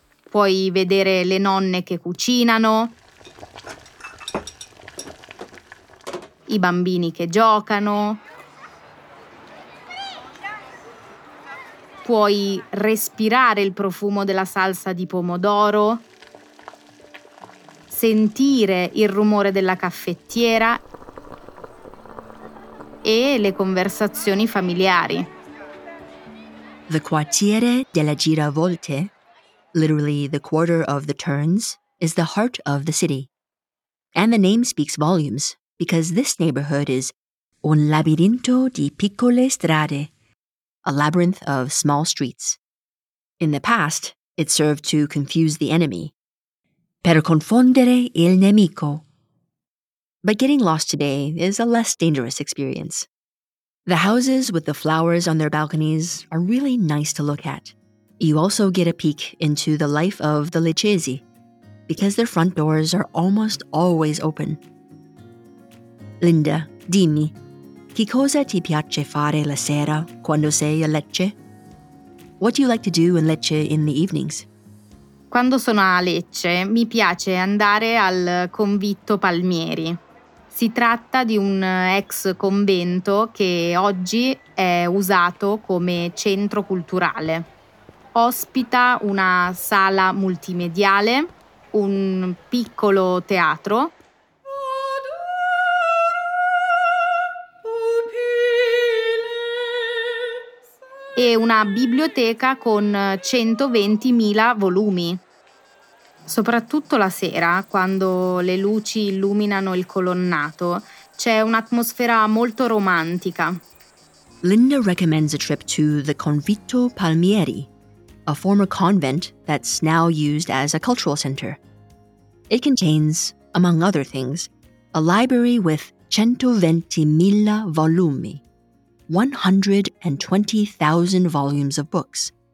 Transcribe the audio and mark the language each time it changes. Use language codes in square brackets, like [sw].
[it] Puoi vedere le nonne che cucinano, i bambini che giocano, puoi respirare il profumo della salsa di pomodoro, sentire il rumore della caffettiera e le conversazioni familiari. [en] The [it] quartiere della giravolte, [en] literally the quarter of the turns, is the heart of the city. And the name speaks volumes, because this neighborhood is [it] un labirinto di piccole strade, [en] a labyrinth of small streets. In the past, it served to confuse the enemy. [it] Per confondere il nemico. [en] But getting lost today is a less dangerous experience. The houses with the flowers on their balconies are really nice to look at. You also get a peek into the life of the Leccesi, because their front doors are almost always open. [it] Linda, dimmi, che cosa ti piace fare la sera quando sei a Lecce? [en] What do you like to do in Lecce in the evenings? [it] Quando sono a Lecce, mi piace andare al convitto Palmieri. Si tratta di un ex convento che oggi è usato come centro culturale. Ospita una sala multimediale, un piccolo teatro e una biblioteca con 120.000 volumi. Soprattutto la sera, quando le luci illuminano il colonnato, c'è un'atmosfera molto romantica. [en] Linda recommends a trip to the Convitto Palmieri, a former convent that's now used as a cultural center. It contains, among other things, a library with [it] 120.000 volumi, [en] 120,000 volumes of books.